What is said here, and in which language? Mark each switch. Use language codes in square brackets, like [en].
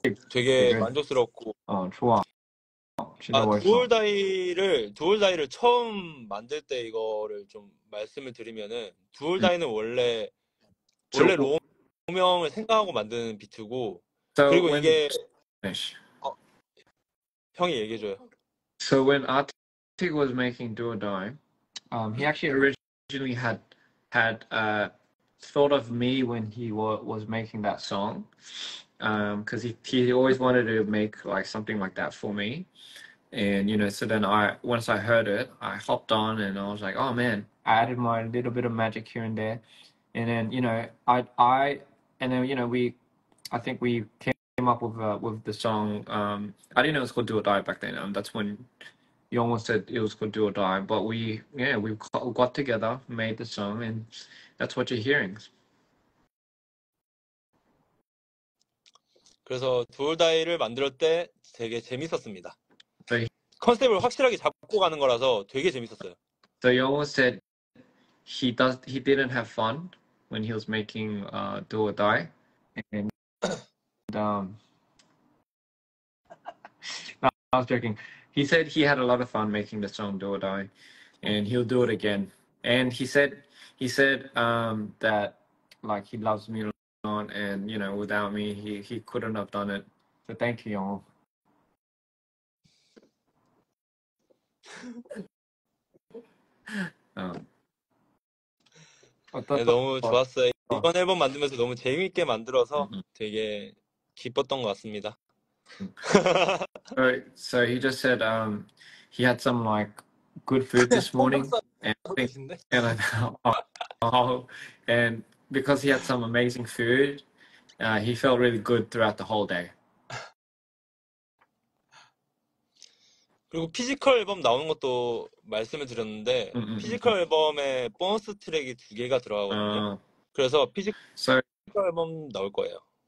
[ko] 되게 만족스럽고. 좋아. 진짜 아, 멋있어. 두얼다이를 처음 만들 때 이거를 좀 말씀을 드리면은 두얼다이는 원래 로우명을 생각하고 만드는 비트고 그리고 [en] when [ko] 이게 형이 얘기해줘요. [en] So when Arctic was making Do or Die, he actually originally had thought of me when he was making that song, because he always wanted to make like something like that for me, and so then once I heard it, I hopped on and I was like, oh man, I added my little bit of magic here and there, and then I think we came up with the song. I didn't know it was called Do or Die back then. That's when you almost said it was called Do or Die, but we got together, made the song, and that's what you're hearing. [ko] 그래서 두얼다이를 만들 때 되게 재밌었습니다. 컨셉을 확실하게 잡고 가는 거라서 되게 재밌었어요. [en] You almost said he didn't have fun when he was making Do or Die, and no, I was joking. He said he had a lot of fun making the song Do or Die, and he'll do it again. And he said that like he loves me a lot, and without me he couldn't have done it. So thank you, y'all. [ko] 네, 너무 좋았어요. 이번 앨범 만들면서 너무 재미있게 만들어서 되게 기뻤던 것 같습니다. [en] So he just said he had some like good food this morning, and [ko] 통닭 [en] I [ko] 드신대? [en] think, and I know, and because he had some amazing food, Yeah, he felt really good throughout the whole day. [ko] 그리고 피지컬 앨범 나오는 것도 말씀을 드렸는데, 피지컬 앨범에 보너스 트랙이 두 개가 들어가거든요. 그래서 피지컬 앨범 나올 거예요.